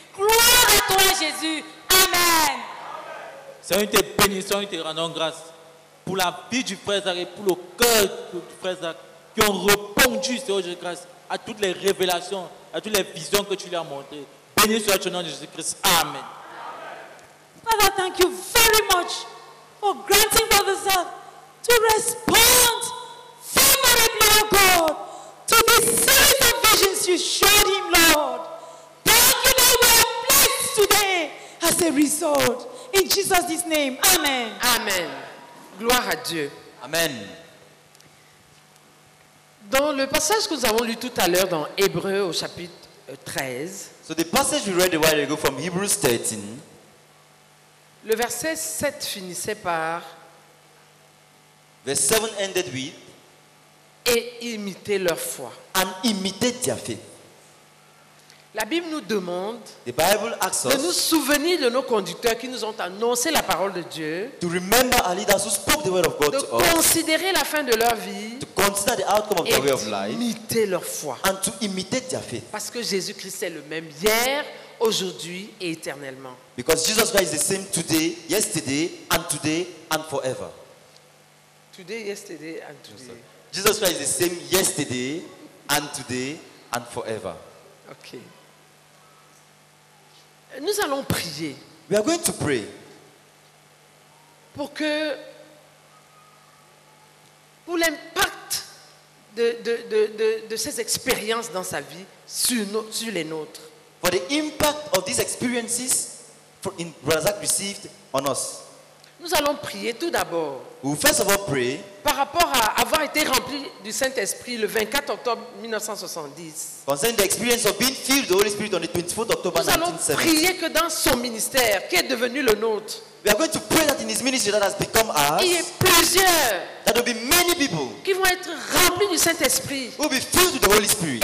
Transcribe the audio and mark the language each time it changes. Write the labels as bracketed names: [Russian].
[French] Gloire à toi, Jésus. Amen. Seigneur, nous te bénissons et te rendons grâce pour la vie du frère Zach et pour le cœur du frère Zach qui ont répondu, Seigneur Jésus Christ, à toutes les révélations, à toutes les visions que tu lui as montrées. Béni soit ton nom, Jésus Christ. Amen. [English] Father, thank you very much for granting Brother Zach to respond favorably, my God, to the series of visions you showed him, Lord. Thank you, Lord, we are blessed today as a result. In Jesus' name, amen. [French] Amen. Gloire à Dieu. Amen. Dans le passage que nous avons lu tout à l'heure dans Hébreux au chapitre 13, [English] so the passage we read a while ago from Hebrews 13, [French] le verset 7 finissait par [English] verse 7 ended with [French] et imiter leur foi. [English] And imitate their faith. [French] La Bible nous demande [English] the Bible asks [French] de nous souvenir de nos conducteurs qui nous ont annoncé la parole de Dieu, [English] to remember our leaders who spoke the word of God [French] de [English] to [French] considérer [English] us, [French] la fin de leur vie [English] to consider the outcome of [French] et [English] their way of life, [French] d'imiter leur foi. [English] And to imitate their faith. [French] Parce que Jésus-Christ est le même hier, aujourd'hui et éternellement. [English] Because Jesus Christ is the same today, yesterday, and today, and forever. Today, yesterday, and today. Jesus Christ is the same yesterday, and today, and forever. Okay. [French] Nous allons prier. [English] We are going to pray. [French] Pour que, pour l'impact de ces expériences dans sa vie sur nos, sur les nôtres. [English] For the impact of these experiences for in Razak received on us. [French] Nous allons prier tout d'abord. [English] We will first of all pray. [French] Par rapport à avoir été rempli du Saint-Esprit le 24 octobre 1970. [English] Concerning the experience of being filled with the Holy Spirit on the 24th October 1970. [French] Nous allons prier que dans son ministère qui est devenu le nôtre. [English] We are going to pray that in his ministry that has become ours. [French] Il y a plusieurs. [English] That there will be many people. [French] Qui vont être remplis du Saint-Esprit. [English] Who will be filled with the Holy Spirit.